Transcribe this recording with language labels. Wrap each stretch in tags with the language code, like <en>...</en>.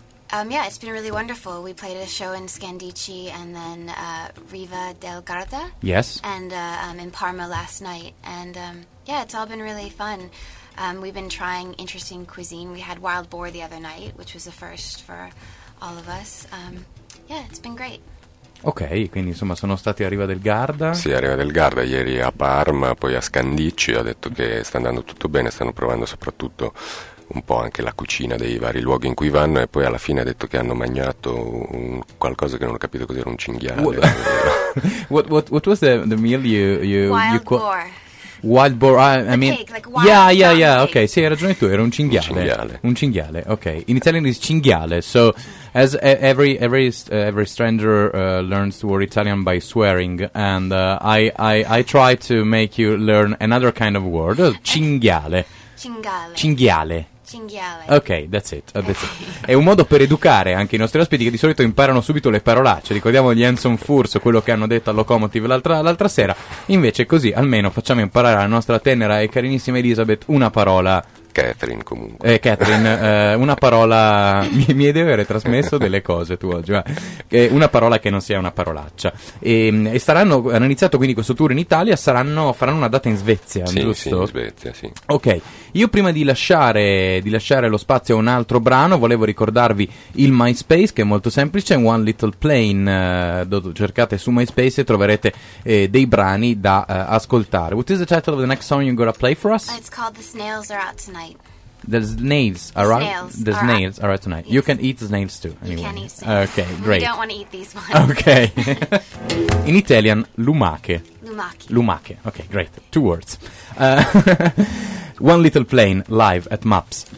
<en>It's been really wonderful. We played a show in Scandici, and then Riva del Garda. Yes. And in Parma last night, and it's all been really fun. We've been trying interesting cuisine. We had wild boar the other night, which was a first for all of us. It's been great.</en> <it>Ok, quindi insomma sono stati a Riva del Garda. Sì, a Riva del Garda, ieri a Parma, poi a Scandicci. Ha detto che sta andando tutto bene, stanno provando soprattutto un po' anche la cucina dei vari luoghi in cui vanno, e poi alla fine ha detto che hanno mangiato qualcosa che non ho capito cos'era, un cinghiale.</it> <en>What was the meal you wild you boar. Wild boar, I mean, pig, like wild yeah,</en> <it>ok, sì, hai ragione tu, era un cinghiale. Un cinghiale,</it> <en>ok, in Italian is cinghiale, so... As every stranger learns to word Italian by swearing, and I try to make you learn another kind of word, cinghiale.</en> <it>Cinghiale.</it> <en>Cinghiale. Ok, that's it.</en> <it>È un modo per educare anche i nostri ospiti, che di solito imparano subito le parolacce. Ricordiamo gli Anson Furs, quello che hanno detto al Locomotive l'altra sera. Invece così almeno facciamo imparare alla nostra tenera e carinissima Elizabeth una parola Catherine comunque. Catherine, una parola, mi devi aver trasmesso delle cose tu oggi, ma, una parola che non sia una parolaccia. E staranno, hanno iniziato quindi questo tour in Italia, faranno una data in Svezia, sì, giusto? Sì, in Svezia, sì. Ok, io prima di lasciare lo spazio a un altro brano, volevo ricordarvi il MySpace, che è molto semplice, One Little Plane, cercate su MySpace e troverete dei brani da ascoltare.</it> <en>What is the title of the next song you're gonna play for us? It's called The Snails Are Out Tonight. The snails are out. The snails are out tonight. Yes. You can eat the snails too. Anyway. You can eat snails. Okay, great. We don't want to eat these ones. Okay. In Italian, lumache.</en> <it>Lumache. Lumache.</it> <en>Okay, great. Two words. One Little Plane live at MAPS.</en>